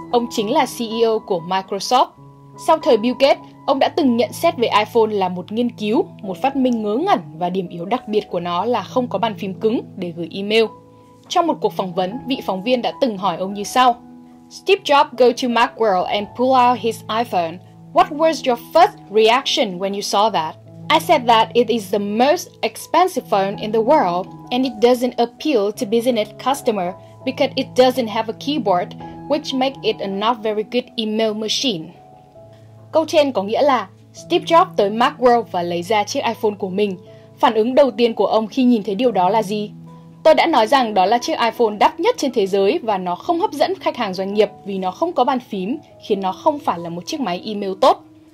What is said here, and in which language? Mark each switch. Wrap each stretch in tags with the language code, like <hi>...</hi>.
<vi>Ông chính là CEO của Microsoft. Sau thời Bill Gates, ông đã từng nhận xét về iPhone là một nghiên cứu, một phát minh ngớ ngẩn và điểm yếu đặc biệt của nó là không có bàn phím cứng để gửi email. Trong một cuộc phỏng vấn, vị phóng viên đã từng hỏi ông như sau:</vi> <en>Steve Jobs go to Macworld and pull out his iPhone. What was your first reaction when you saw that? I said that it is the most expensive phone in the world and it doesn't appeal to business customer because it doesn't have a keyboard, which makes it a not very good email machine.</en> <vi>Câu trên có nghĩa là Steve Jobs tới Macworld và lấy ra chiếc iPhone của mình. Phản ứng đầu tiên của ông khi nhìn thấy điều đó là gì? Tôi đã nói rằng đó là chiếc iPhone đắt nhất trên thế giới và nó không hấp dẫn khách hàng doanh nghiệp vì nó không có bàn phím, khiến nó không phải là một chiếc máy email tốt.</vi>